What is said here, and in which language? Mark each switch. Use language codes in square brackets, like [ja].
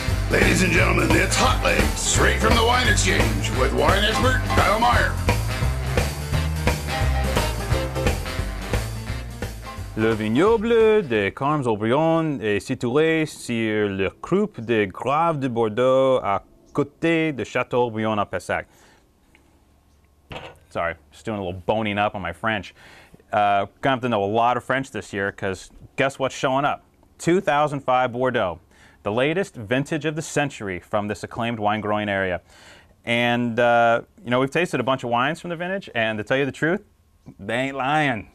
[en] Ladies and gentlemen, it's Hot Legs, straight from the Wine Exchange, with wine expert Kyle Meyer. [fr] Le vignoble de Carmes Aubryon est situé sur le croupe de Graves de Bordeaux à côté de Château Aubryon à Pessac. [en] Sorry, just doing a little boning up on my French. Gonna have to know a lot of French this year, because guess what's showing up? 2005 Bordeaux, the latest vintage of the century from this acclaimed wine growing area. And, you know, we've tasted a bunch of wines from the vintage, and to tell you the truth, they ain't lying.